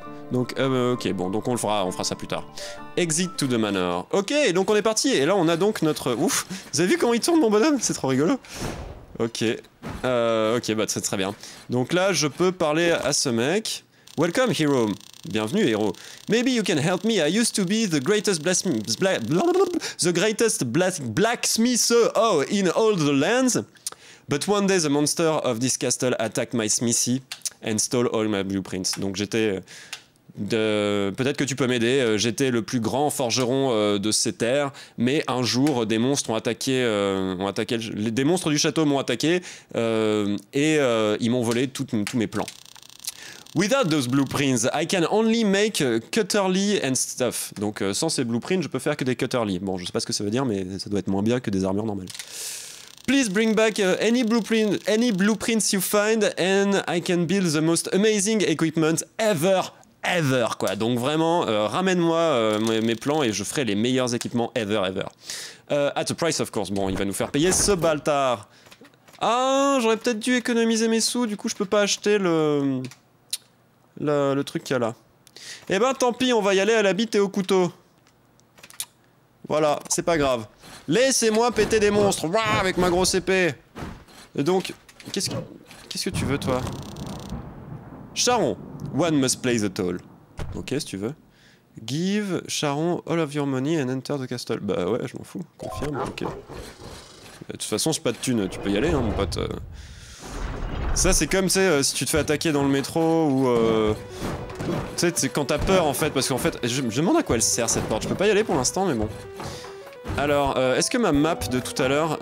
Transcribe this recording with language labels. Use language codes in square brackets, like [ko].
[fr] Donc, ok, bon, donc on fera ça plus tard. [en] Exit to the manor. [fr] Ok, donc on est parti, et là on a donc notre... Ouf, vous avez vu comment il tourne mon bonhomme? C'est trop rigolo. Ok, bah c'est très bien. Donc là, je peux parler à ce mec... [en] Welcome, hero. [fr] Bienvenue, héros. [en] Maybe you can help me. I used to be the greatest blacksmith in all the lands. But one day, the monster of this castle attacked my smithy and stole all my blueprints. [fr] Donc, j'étais... peut-être que tu peux m'aider. J'étais le plus grand forgeron de ces terres. Mais un jour, des monstres ont attaqué... des monstres du château m'ont attaqué. Ils m'ont volé tous mes plans. [en] Without those blueprints, I can only make cutterly and stuff. [fr] Donc sans ces blueprints, je peux faire que des cutterly. Bon, je sais pas ce que ça veut dire, mais ça doit être moins bien que des armures normales. [en] Please bring back any blueprints you find, and I can build the most amazing equipment ever, quoi. [fr] Donc vraiment, ramène-moi mes plans et je ferai les meilleurs équipements ever. [en] At a price, of course. [fr] Bon, il va nous faire payer ce baltard. Ah, j'aurais peut-être dû économiser mes sous, du coup je peux pas acheter le truc qu'il y a là. Eh ben tant pis, on va y aller à la bite et au couteau. Voilà, c'est pas grave. Laissez-moi péter des monstres, ouah, avec ma grosse épée. Et donc, qu'est-ce que tu veux, toi? [en] Charon, one must play the toll. Ok, [fr] si tu veux. [en] Give Charon all of your money and enter the castle. [fr] Bah ouais, je m'en fous, confirme, ok. De toute façon, c'est pas de thunes, tu peux y aller, hein, mon pote. Ça c'est comme, tu sais, si tu te fais attaquer dans le métro ou tu sais, quand t'as peur en fait, parce qu'en fait, je me demande à quoi elle sert cette porte, je peux pas y aller pour l'instant, mais bon. Alors, est-ce que ma map de tout à l'heure...